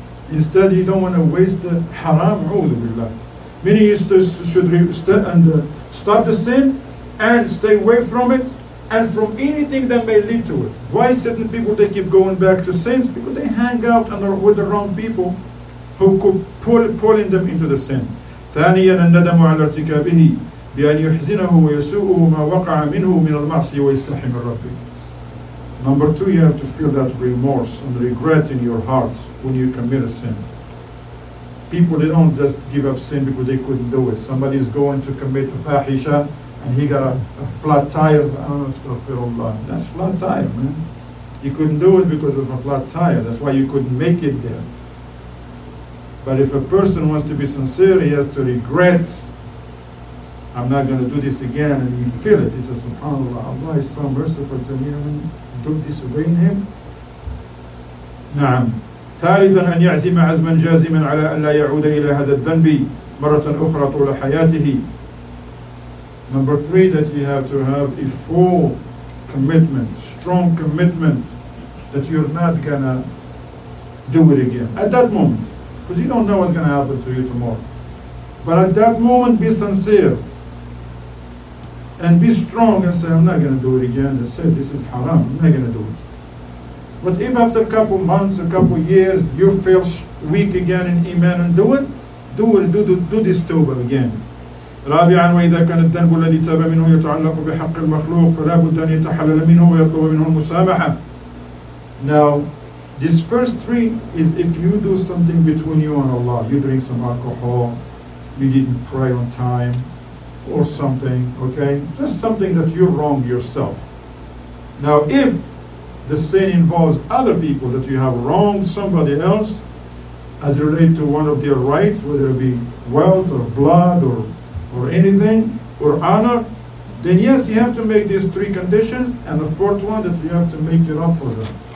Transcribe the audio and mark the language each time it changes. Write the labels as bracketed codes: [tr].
[en] Instead, you don't want to waste the haram, a'udhu billah. Many should stop the sin and stay away from it and from anything that may lead to it. Why certain people, they keep going back to sins? Because they hang out with the wrong people who could pulling them into the sin. [ar] ثانياً الندم على ارتكابه بأن يحزنه ويسوءه ما وقع منه من المعصية ويستحم الرب. [en] Number two, you have to feel that remorse and regret in your heart when you commit a sin. People, they don't just give up sin because they couldn't do it. Somebody is going to commit a fahisha and he got a flat tire. That's flat tire, man. You couldn't do it because of a flat tire. That's why you couldn't make it there. But if a person wants to be sincere, he has to regret, I'm not going to do this again, and he feel it. He says, SubhanAllah, Allah is so merciful to me, and don't disobey him. [ar] نعم. ثالثا أن يعزم عزما جازما على أن لا يعود إلى هذا الذنب مرة أخرى طول حياته. [en] Number three, that you have to have a full commitment, strong commitment, that you're not going to do it again. At that moment, because you don't know what's going to happen to you tomorrow. But at that moment, be sincere. And be strong and say, I'm not going to do it again. I said, this is haram. I'm not going to do it. But if after a couple months, a couple years, you feel weak again in iman and do it. Do this tawbah again. [ar] رابعا وإذا كان الذنب الذي تاب منه يتعلق بحق المخلوق فلا بد أن يتحلل منه ويطلب منه المسامحة. [en] Now, this first three is if you do something between you and Allah, you drink some alcohol, you didn't pray on time, or something, okay? Just something that you wrong yourself. Now, if the sin involves other people that you have wronged somebody else, as related to one of their rights, whether it be wealth or blood or anything, or honor, then yes, you have to make these three conditions, and the fourth one, that you have to make it up for them.